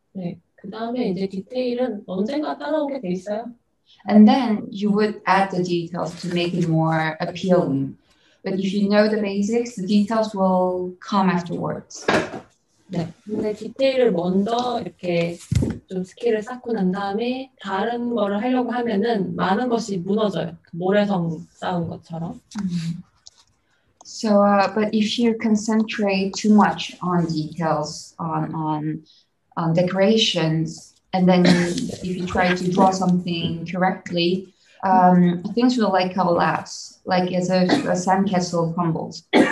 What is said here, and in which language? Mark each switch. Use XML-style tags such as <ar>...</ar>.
<ko>네, 그 다음에 이제 디테일은 언젠가 따라오게 돼 있어요.</ko> <en>And then you would add the details to make it more appealing. But if you know the basics, the details will come afterwards.</en> <ko>네, 근데 디테일을 먼저 이렇게 좀 스킬을 쌓고 난 다음에 다른 거를 하려고 하면은 많은 것이 무너져요. 모래성 쌓은 것처럼.</ko> <en>So, but if you concentrate too much on details, on decorations, and then if you try to draw something correctly, things will like collapse, like as if a sandcastle crumbles.</en>